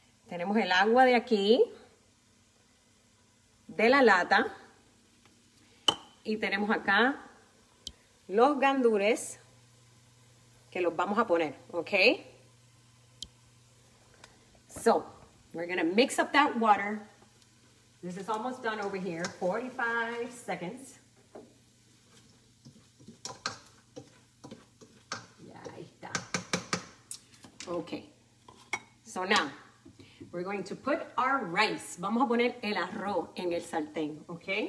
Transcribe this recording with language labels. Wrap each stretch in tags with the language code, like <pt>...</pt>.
<es>Tenemos el agua de aquí, de la lata, y tenemos acá los gandules que los vamos a poner, ¿ok?</es> <en>So, we're gonna mix up that water. This is almost done over here, 45 seconds. Ok, so now. We're going to put our rice.</en> <es>Vamos a poner el arroz en el sartén, ¿ok?</es>